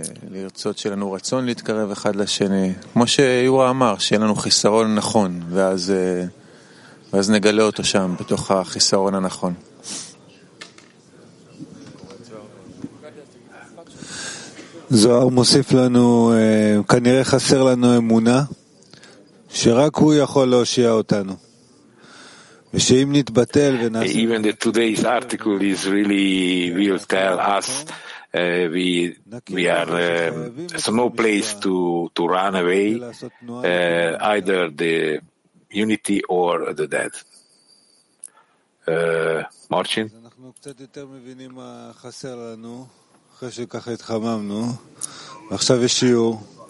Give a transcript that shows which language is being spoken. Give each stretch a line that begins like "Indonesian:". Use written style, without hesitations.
Hebrew: לרצות שלנו רצון להתקרב אחד לשני כמו שיורה אמר שיהיה לנו חיסרון נכון ואז נגלה אותו שם בתוך החיסרון הנכון זוהר מוסיף לנו כנראה חסר לנו אמונה שרק הוא יכול להושיע אותנו ושאם נתבטל ונעשה
English: even the today's article is really will tell us we are so no place to run away either the unity or the death Marcin
Hebrew: אנחנו קצת יותר מבינים מה חסר לנו, אחרי שככה התחממנו, ועכשיו יש שיעור.